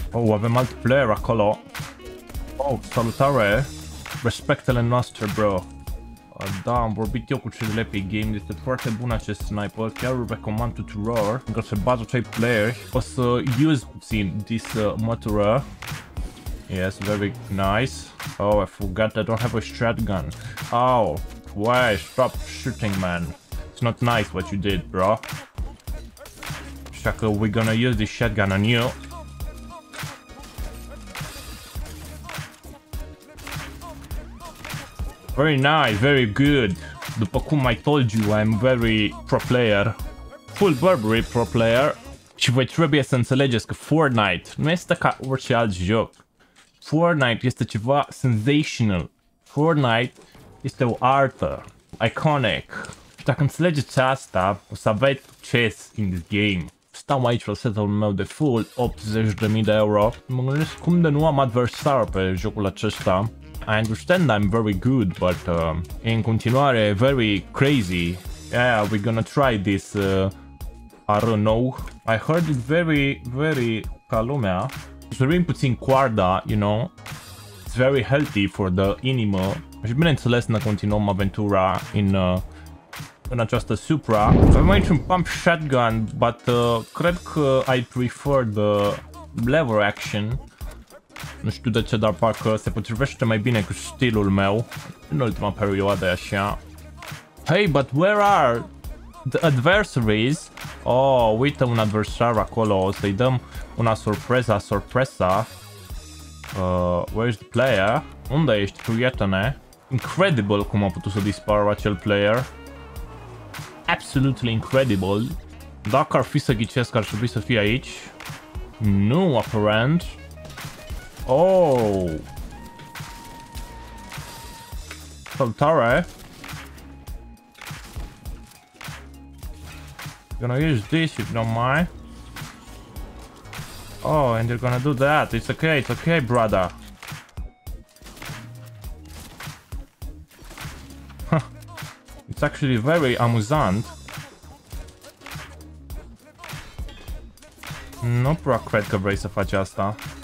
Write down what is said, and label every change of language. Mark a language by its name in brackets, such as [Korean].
[Romanian] Oh, avem alt player acolo. Oh, salutare. Respectele noastre, bro. Da, am vorbit eu cu cei de la Epic Games, este foarte bun acest sniper, chiar îl recomand tuturor. Încă se bază 3 player, o să use puțin this mătură. [English] Yes, very nice. Oh, I forgot I don't have a shotgun. Oh, why? Stop shooting, man. It's not nice what you did, bro. [Romanian] Așa că [English] we're gonna use this shotgun on you. Very nice, very good. [Romanian] După cum [English] I told you, I'm very pro player. Full Burberry pro player. [Romanian] Și voi trebuie să înțelegeți că Fortnite nu este ca orice alt joc. Fortnite este ceva sensational. Fortnite este o artă. Iconic. Și dacă înțelegeți asta, o să aveți succes [English] in this game. [Romanian] Stau aici la setul meu de full, 80.000 de euro. Mă gândesc cum de nu am adversar pe jocul acesta. [English] I understand I'm very good, but [Romanian] in continuare, [English] very crazy. Yeah, we're gonna try this, I don't know. I heard it very, very [Romanian] ca lumea. Sărim puțin coarda, [English] you know. It's very healthy for the inimă. [Romanian] Și bineînțeles, ne continuăm aventura în această Supra. Avem aici un [English] pump shotgun, but [Romanian] cred că [English] I prefer the lever action. [Romanian] Nu știu de ce, dar parcă se potrivește mai bine cu stilul meu în ultima perioadă așa. [English] Hey, but where are the adversaries? [Romanian] Oh, uite un adversar acolo, o să-i dăm una surpresa. [English] Where is the player? [Romanian] Unde ești, prietene? Incredible cum a putut să dispară acel player. [English] Absolutely incredible. [Romanian] Dacă ar fi să ghicesc, ar trebui să fie aici. Nu, aparent. Oh! Salutare! [English] Gonna use this if you don't mind. Oh, and you're gonna do that. It's okay, brother. Huh. It's actually very amusant. [Romanian] Nu prea cred că vrei să faci asta.